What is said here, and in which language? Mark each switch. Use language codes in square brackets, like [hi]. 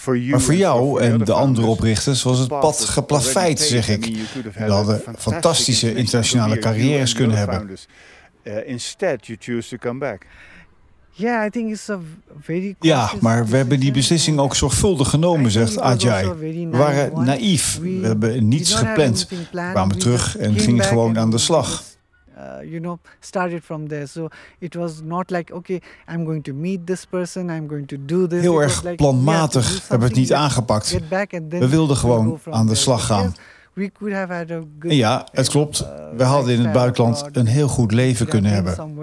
[nl] Maar voor jou en de andere oprichters was het pad geplaveid, zeg ik. We hadden fantastische internationale carrières kunnen hebben. [en] Instead, you choose to come back. Yeah, I think it's a very cautious. [nl] Ja, maar we hebben die beslissing ook zorgvuldig genomen, zegt Ajay. We waren naïef. We hebben niets gepland. We kwamen terug en gingen gewoon aan de slag. [en] Started from there. So it was not like, okay, I'm going to meet this person, I'm going to do this. [nl] Heel erg planmatig hebben we het niet aangepakt. We wilden gewoon aan de slag gaan. [en] We could have had a good [nl] en ja, het klopt. We hadden in het buitenland een heel goed leven kunnen hebben.